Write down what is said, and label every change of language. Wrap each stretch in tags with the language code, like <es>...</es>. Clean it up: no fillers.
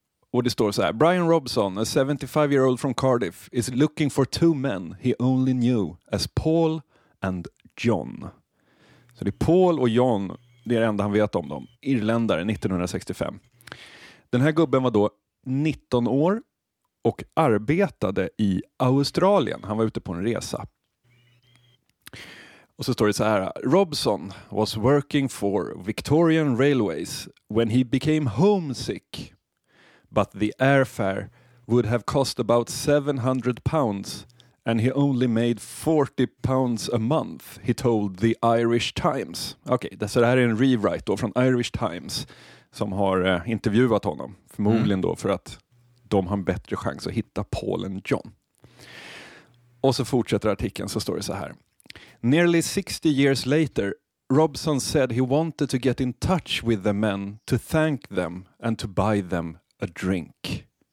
<sv>Och det står så här:</sv> <en>Brian Robson, a 75-year-old from Cardiff, is looking for two men he only knew as Paul and John.</en> <sv>Så det är Paul och John, det är det enda han vet om dem. Irländare, 1965. Den här gubben var då 19 år och arbetade i Australien. Han var ute på en resa. Och så står det så här:</sv> <en>Robson was working for Victorian Railways when he became homesick, but the airfare would have cost about 700 pounds and he only made 40 pounds a month, he told the Irish Times.</en> <sv>Okej, okay, så det här är en rewrite då från Irish Times som har intervjuat honom, förmodligen då för att de har en bättre chans att hitta Paul and John. Och så fortsätter artikeln, så står det så här:</sv> <en>Nearly 60 years later, Robson said he wanted to get in touch with the men to thank them and to buy them a drink.</en>